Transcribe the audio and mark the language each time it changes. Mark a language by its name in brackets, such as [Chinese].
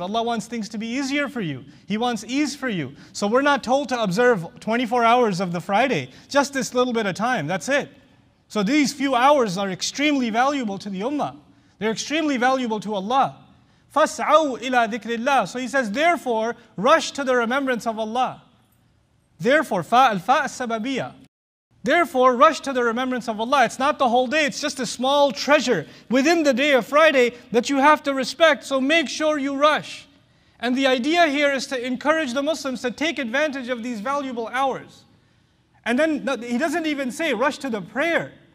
[English] Allah wants things to be easier for you. He wants ease for you. So we're not told to observe 24 hours of the Friday. Just this little bit of time, that's it. So these few hours are extremely valuable to the ummah. They're extremely valuable to Allah. [Arabic] فَاسْعَوْا إِلَىٰ ذِكْرِ اللَّهِ. [English] So he says, therefore, rush to the remembrance of Allah. Therefore, [Arabic] فَالْفَا السَّبَبِيَ. [English] Therefore, rush to the remembrance of Allah. It's not the whole day, it's just a small treasure within the day of Friday that you have to respect, so make sure you rush. And the idea here is to encourage the Muslims to take advantage of these valuable hours. And then, he doesn't even say, rush to the prayer.